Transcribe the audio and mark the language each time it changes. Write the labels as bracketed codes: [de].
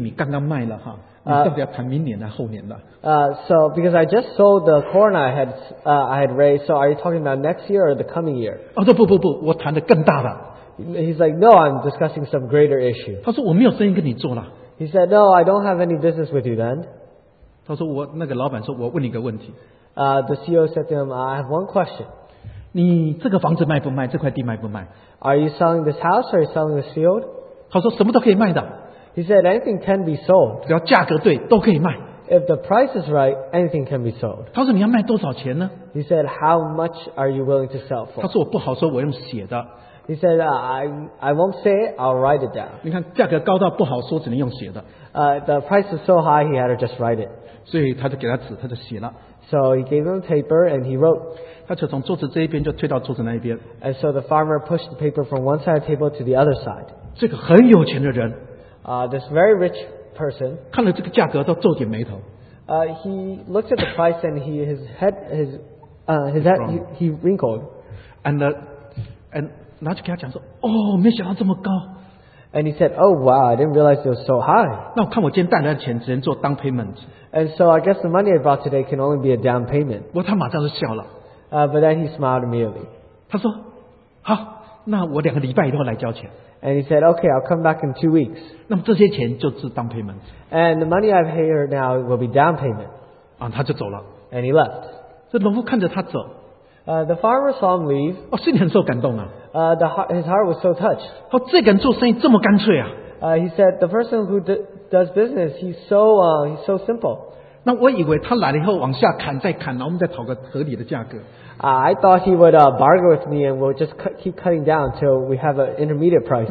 [zh] 因为我刚刚那笔那个玉米刚刚卖了哈，你到底要谈明年的、后年的？ [en] So because I just sold the corn I had raised, so are you talking about next year or the coming year? [zh] 哦，不，我谈的更大的。 [en] He's like, "No, I'm discussing some greater issue." [zh] 他说我没有生意跟你做了。 [en] He said, "No, I don't have any business with you then." [zh] 他说我那个老板说，我问你一个问题。 [en] The CEO said to him, "I have one question." [zh] 你这个房子卖不卖？这块地卖不卖？ [en] Are you selling this house or are you selling this field? [zh] 他说什么都可以卖的。 [en] He said anything can be sold. [zh] 只要价格对，都可以卖。 [en] If the price is right, anything can be sold. [zh] 他说你要卖多少钱呢？ [en] He said how much are you willing to sell for? [zh] 他说我不好说，我用写的。 [en] He said, I won't say it, I'll write it down. [zh] 你看价格高到不好说，只能用写的。 [en] The price is so high, he had to just write it. [zh] 所以他就给他纸，他就写了。 [en] So he gave him a paper and he wrote. [zh] 他就从桌子这一边就推到桌子那一边。 [en] And so the farmer pushed the paper from one side of the table to the other side. [zh] 这个很有钱的人。 [en] This very rich person. [zh] 看了这个价格都皱点眉头。 [en] He looked at the price and his head wrinkled. And [zh] 然后就跟他讲说，哦，没想到这么高。 [en] And he said, "Oh wow, I didn't realize it was so high." [zh] 那我看我今天带来的钱只能做 down payment. [en] And so I guess the money I brought today can only be a down payment. [zh] 我他马上就笑了。 [en] But then he smiled immediately. [zh] 他说，好，那我两个礼拜以后来交钱。 [en] And he said, "Okay, I'll come back in 2 weeks." [zh] 那么这些钱就是 down payment. [en] And the money I've paid her now will be down payment. [zh] 啊，他就走了。 [en] And he left. [zh] 这农夫看着他走。 [en] The farmer saw him leave. [zh] 哦，心里很受感动啊。 [en] His heart was so touched. [zh] 哦，这敢做生意这么干脆啊。 [en] He said the person who does business, he's so simple. [zh] 那我以为他来了以后往下砍，再砍，然后我们再讨个合理的价格。 [en] I thought he would bargain with me and we'll just keep cutting down until we have an intermediate price.